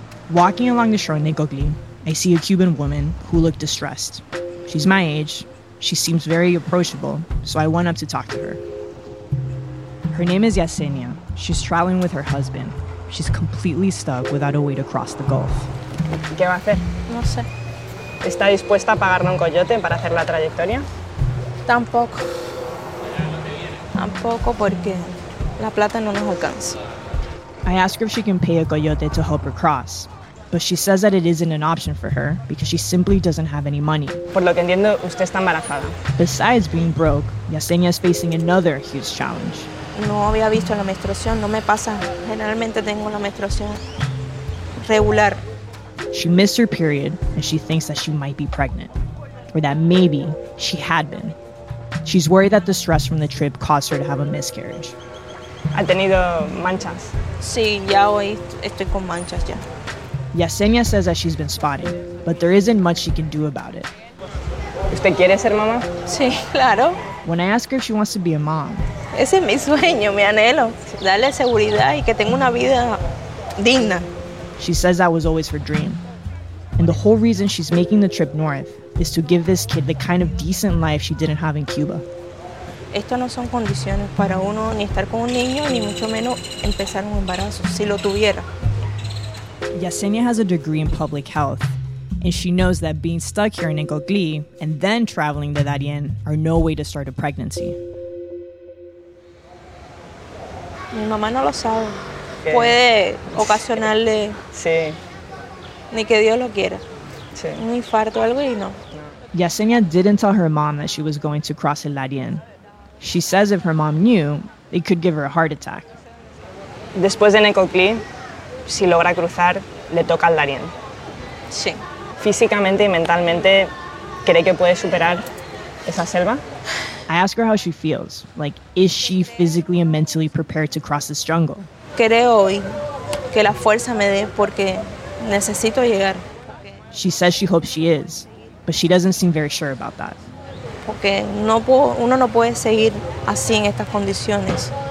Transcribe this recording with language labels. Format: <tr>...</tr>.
<en>Walking along the shore in Necoclí, I see a Cuban woman who looked distressed. She's my age. She seems very approachable, so I went up to talk to her. Her name is Yesenia. She's traveling with her husband. She's completely stuck without a way to cross the Gulf.</en> <es>¿Qué va a hacer? No sé. ¿Está dispuesta a pagarle un coyote para hacer la trayectoria? Tampoco. Tampoco porque la plata no nos alcanza.</es> <en>I ask her if she can pay a coyote to help her cross, but she says that it isn't an option for her because she simply doesn't have any money.</en> <es>Por lo que entiendo, usted está embarazada.</es> <en>Besides being broke, Yesenia is facing another huge challenge.</en> <es>No había visto la menstruación, no me pasa. Generalmente tengo la menstruación regular.</es> <en>She missed her period and she thinks that she might be pregnant, or that maybe she had been. She's worried that the stress from the trip caused her to have a miscarriage.</en> <es>Ha tenido manchas. Sí, ya hoy estoy con manchas ya.</es> <en>Yesenia says that she's been spotted, but there isn't much she can do about it.</en> <es>¿Usted quiere ser mamá? Sí, claro.</es> <en>When I ask her if she wants to be a mom.</en> <es>Ese es mi sueño, mi anhelo. Darle seguridad y que tenga una vida digna.</es> <en>She says that was always her dream. And the whole reason she's making the trip north is to give this kid the kind of decent life she didn't have in Cuba.</en> <es>Esto no son condiciones para uno ni estar con un niño ni mucho menos empezar un embarazo, si lo tuviera.</es> <en>Yesenia has a degree in public health, and she knows that being stuck here in Necoclí and then traveling to Darién are no way to start a pregnancy.</en> <es>Mi mamá no lo sabe. Okay. Puede ocasionarle. Sí. Ni que Dios lo quiera. Sí. Un infarto o algo y no.</es> <en>Yesenia didn't tell her mom that she was going to cross el Darién. She says if her mom knew, it could give her a heart attack.</en> <es>Después de Necoclí, si logra cruzar, le toca al Darién. Sí. Físicamente y mentalmente, ¿cree que puede superar esa selva?</es> <en>I ask her how she feels. Like, is she physically and mentally prepared to cross this jungle?</en> <es>Creo hoy que la fuerza me dé porque necesito llegar.</es> <en>She says she hopes she is, but she doesn't seem very sure about that.</en> <es>Porque uno no puede seguir así en estas condiciones.</es>